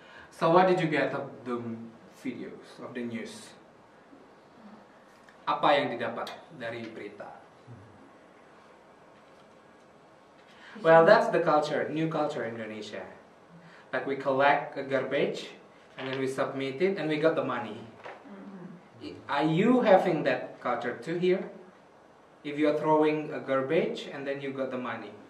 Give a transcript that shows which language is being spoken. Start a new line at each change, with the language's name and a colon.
English: So what did you get of the videos of the news?
Indonesian: Apa yang didapat dari berita?
English: Well, that's the culture, new culture in Indonesia. Like we collect a garbage, and then we submit it, and we got the money. Are you having that culture too here? If you are throwing a garbage, and then you got the money?